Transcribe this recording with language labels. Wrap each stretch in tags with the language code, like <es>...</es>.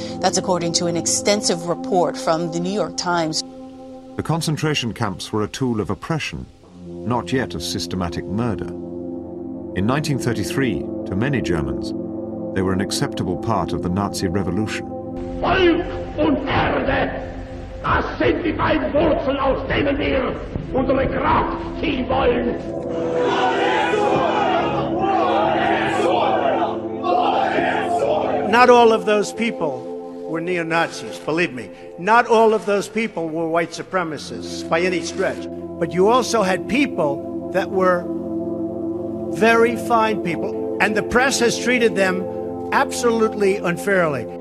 <en>That's according to an extensive report from the New York Times. The concentration camps were a tool of oppression, not yet of systematic murder. In 1933, to many Germans, they were an acceptable part of the Nazi revolution.</en> <de>Volk und Erde, das sind die beiden Wurzeln, aus denen wir unsere Kraft ziehen wollen.</de> <en>Not all of those people were neo-Nazis, believe me. Not all of those people were white supremacists by any stretch. But you also had people that were very fine people, and the press has treated them absolutely unfairly.</en>